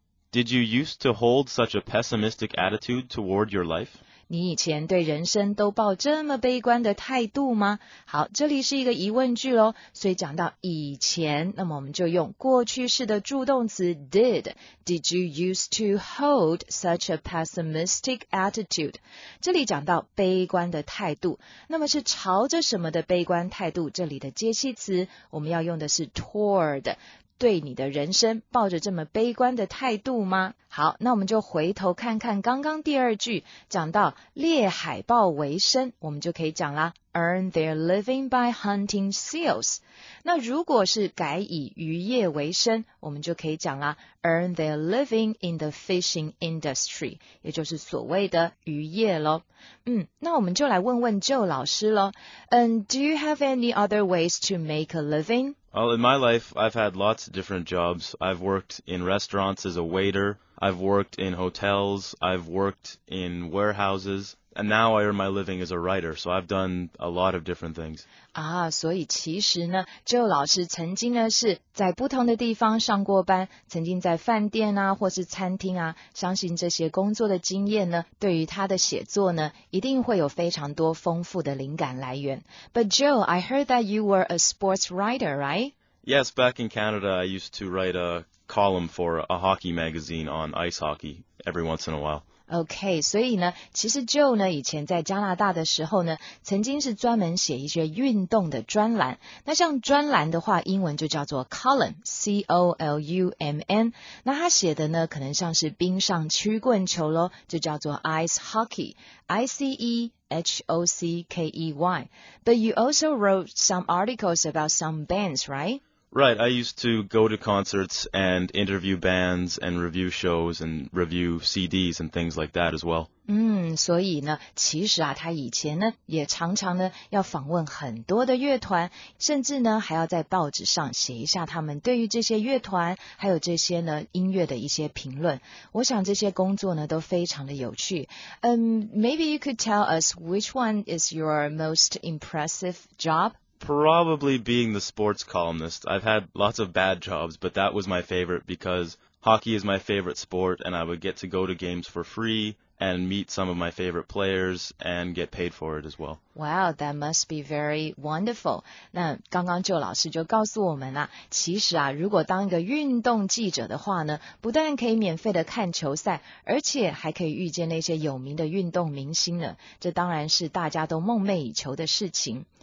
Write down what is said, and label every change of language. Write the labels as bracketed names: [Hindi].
[English] Did you used to hold such a pessimistic attitude toward your life? [Chinese] 你以前对人生都抱这么悲观的态度吗？好，这里是一个疑问句咯，所以讲到以前，那么我们就用过去式的助动词 did. [English] Did you used to hold such a pessimistic attitude? [Chinese] 这里讲到悲观的态度，那么是朝着什么的悲观态度？这里的介系词我们要用的是 toward。对你的人生抱着这么悲观的态度吗？好，那我们就回头看看刚刚第二句，讲到猎海豹为生，我们就可以讲啦 [English] earn their living by hunting seals. [Chinese] 那如果是改以渔业为生，我们就可以讲啦 [English] earn their living in the fishing industry, [Chinese] 也就是所谓的渔业咯。那我们就来问问 Joe 老师咯。 [English] Do you have any other ways to make a living? Well, in my life, I've had lots of different jobs. I've worked in restaurants as a waiter. I've worked in hotels. I've worked in warehouses. And now I earn my living as a writer. So I've done a lot of different things. [Chinese] 啊，所以其实呢，周老师曾经呢是在不同的地方上过班，曾经在饭店啊，或是餐厅啊，相信这些工作的经验呢，对于他的写作呢，一定会有非常多丰富的灵感来源。 [English] But Joe, I heard that you were a sports writer, right? Yes, back in Canada, I used to write a column for a hockey magazine on ice hockey every once in a while. [Chinese] OK, 所以呢其实 Joe 呢以前在加拿大的时候呢曾经是专门写一些运动的专栏。那像专栏的话英文就叫做 column,C-O-L-U-M-N。那他写的呢可能像是冰上曲棍球咯，就叫做 ice hockey,I-C-E-H-O-C-K-E-Y。 [English] But you also wrote some articles about some bands, right? Right, I used to go to concerts and interview bands and review shows and review CDs and things like that as well. [Chinese] 所以呢，其实啊，他以前呢，也常常呢，要访问很多的乐团，甚至呢，还要在报纸上写一下他们对于这些乐团，还有这些呢，音乐的一些评论。我想这些工作呢，都非常的有趣。 [English] Maybe you could tell us which one is your most impressive job? Probably being the sports columnist. I've had lots of bad jobs, but that was my favorite because hockey is my favorite sport and I would get to go to games for free and meet some of my favorite players and get paid for it as well. Wow, that must be very wonderful. [Chinese] 那刚刚Joe老师就告诉我们了，其实啊，如果当一个运动记者的话呢，不但可以免费的看球赛，而且还可以遇见那些有名的运动明星呢，这当然是大家都梦寐以求的事情。